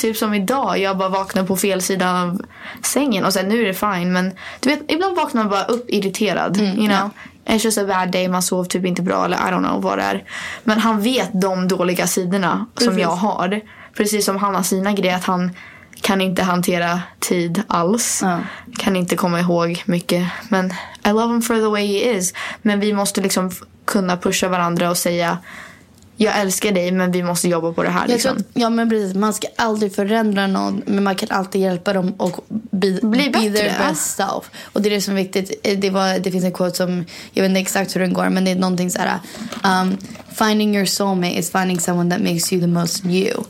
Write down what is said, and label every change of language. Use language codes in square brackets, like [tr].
[sv] Typ som idag, jag bara vaknar på fel sidan av sängen och sen nu är det fine. Men du vet, ibland vaknar man bara upp irriterad, [en] you know. It's just a bad day, [sv] man sov typ inte bra eller [en] I don't know [sv] vad det är. Men han vet de dåliga sidorna som jag har. Precis som han har sina grejer, att han kan inte hantera tid alls. Kan inte komma ihåg mycket. Men [en] I love him for the way he is. [sv] Men vi måste liksom kunna pusha varandra och säga, jag älskar dig men vi måste jobba på det här liksom. Ja men precis, man ska aldrig förändra någon, men man kan alltid hjälpa dem och bli [en] their best self. [sv] Och det är det som är viktigt. Det finns en quote som, jag vet inte exakt hur den går, men det är någonting såhär, [en] finding your soulmate is finding someone that makes you the most you.